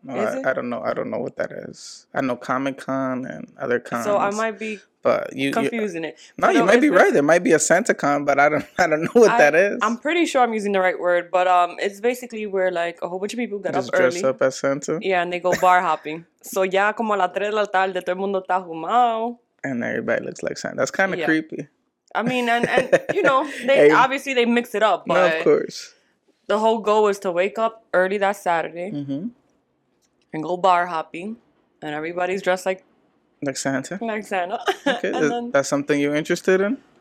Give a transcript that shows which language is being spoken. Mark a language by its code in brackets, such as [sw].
[en] No, I don't know. I don't know what that is. I know Comic-Con and other cons. So I might be... But confusing it. No, you might be right. There might be a SantaCon, but I don't know what that is. I'm pretty sure I'm using the right word, but it's basically where like a whole bunch of people get just up early. Dress up as Santa. Yeah, and they go bar hopping. [es] So ya como a las 3 de la tarde, todo el mundo está humado. [en] And everybody looks like Santa. That's kind of creepy. I mean, and you know, they obviously mix it up. But no, of course. The whole goal is to wake up early that Saturday mm-hmm. and go bar hopping, and everybody's dressed like. Like Santa? Like Santa. Okay, that's something you're interested in?